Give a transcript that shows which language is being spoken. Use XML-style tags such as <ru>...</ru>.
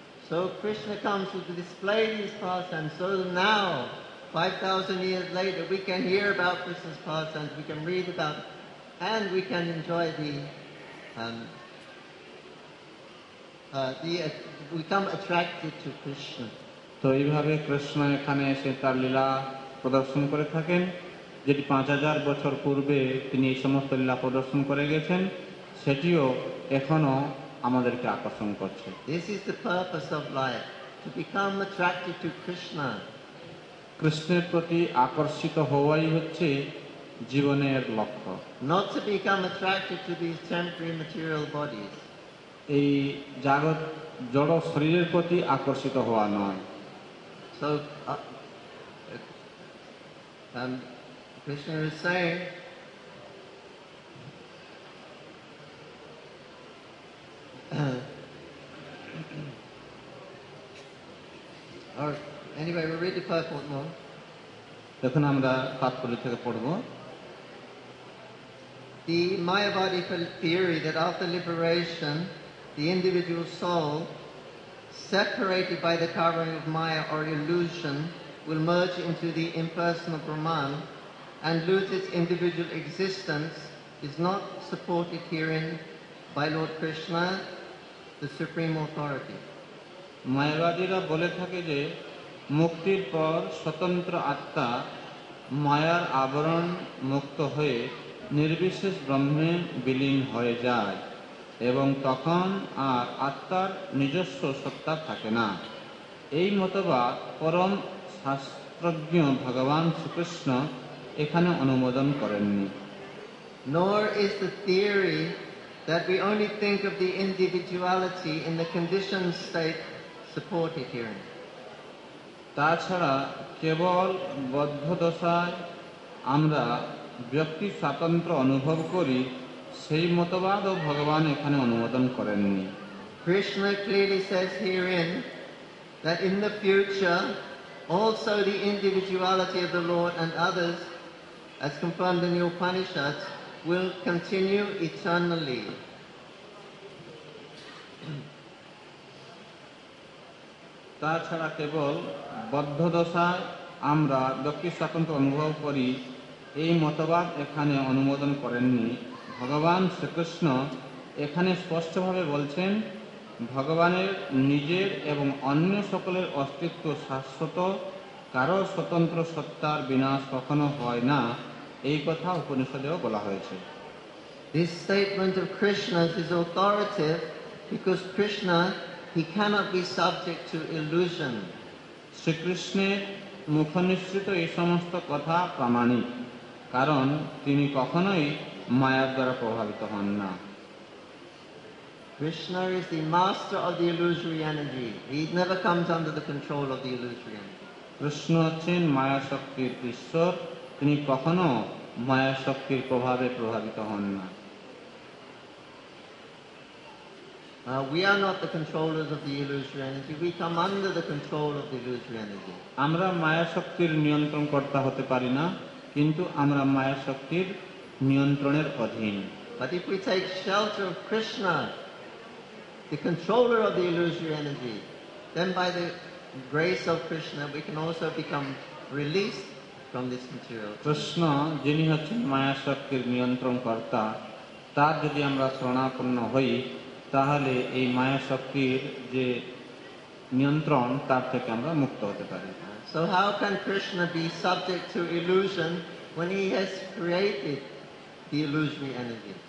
<en>So Krishna comes to display his pastimes. So now, 5,000 years later, we can hear about Krishna's pastimes, we can read about it. And we can enjoy the become attracted to Krishna.</en> <bn>তো এইভাবে কৃষ্ণ এখানে এসে তার লীলা প্রদর্শন করে থাকেন যেটি 5,000 বছর পূর্বে তিনি এই সমস্ত লীলা প্রদর্শন করে গেছেন সেটিও এখনো আমাদেরকে আকর্ষণ করছে.</bn> <en>This is the purpose of life, to become attracted to Krishna.</en> <bn>কৃষ্ণের প্রতি আকর্ষিত হওয়াই হচ্ছে জীবনের লক্ষ্য</bn> <en>not to become attracted to these temporary material bodies</en> <bn>এই জাগৎ জড় শরীরের প্রতি আকর্ষিত হওয়া নয়</bn> <en>so and Krishna is saying or anyway we'll read the first one more</en> <bn>দেখুন আমরা তাৎপর্য থেকে পড়ব</bn> <en>The Mayavadi theory that after liberation, the individual soul, separated by the covering of Maya or illusion, will merge into the impersonal Brahman and lose its individual existence is not supported herein by Lord Krishna, the Supreme Authority.</en> <bn>Mayavadi ra bole thake je muktir por swatantra atta mayar avaron mukto hoye নির্বিশেষ ব্রহ্মে বিলীন হয়ে যায় এবং তখন আর আত্মার নিজস্ব সত্তা থাকে না এই মতবাদ পরম শাস্ত্রজ্ঞ ভগবান শ্রীকৃষ্ণ এখানে অনুমোদন করেননি</bn> <en>Nor is the theory that we only think of the individuality in the conditioned state supported here.</en> <bn>তাছাড়া কেবল বদ্ধ দশায় আমরা ব্যক্তি স্বাতন্ত্র্য অনুভব করি সেই মতবাদ ও ভগবান এখানে অনুমোদন করেননি</bn> <en>Krishna clearly says herein that in the future also the individuality of the Lord and others as confirmed in the Upanishads will continue eternally</en> <bn>তাছাড়া কেবল বদ্ধ দশায় আমরা ব্যক্তি স্বাতন্ত্র্য অনুভব করি এই মতবাদ এখানে অনুমোদন করেননি ভগবান শ্রীকৃষ্ণ এখানে স্পষ্টভাবে বলছেন ভগবানের নিজের এবং অন্য সকলের অস্তিত্ব শাশ্বত কারো স্বতন্ত্র সত্তার বিনাশ কখনো হয় না এই কথা উপনিষদেও বলা হয়েছে</bn> <en>This statement of Krishna is authoritative because Krishna he cannot be subject to illusion</en> <bn>শ্রীকৃষ্ণের মুখনিঃসৃত এই সমস্ত কথা প্রামাণিক কারণ তিনি কখনোই মায়ার দ্বারা প্রভাবিত হন না</bn> <en>Krishna is the master of the illusory energy. He never comes under the control of the illusory energy.</en> <bn>Krishna chin maya shakti ishwar tini kokhono মায়া শক্তির প্রভাবে প্রভাবিত হন না।</bn> <en>We are not the controllers of the illusory energy. We come under the control of the illusory energy.</en> <bn>আমরা মায়া শক্তির নিয়ন্ত্রণকর্তা হতে পারি না, কিন্তু আমরা মায়া শক্তির নিয়ন্ত্রণের অধীন।</bn> <en>But if we take shelter of Krishna, the controller of the illusory energy, then by the grace of Krishna, we can also become released from this material.</en> <bn>Krishna, যিনি হচ্ছেন মায়া শক্তির নিয়ন্ত্রণকর্তা, তার যদি আমরা শরণাপন্ন হই, তাহলে এই মায়া শক্তির যে নিয়ন্ত্রণ, তার থেকে আমরা মুক্ত হতে পারি।</bn> <en>So how can Krishna be subject to illusion when he has created the illusory energy?</en>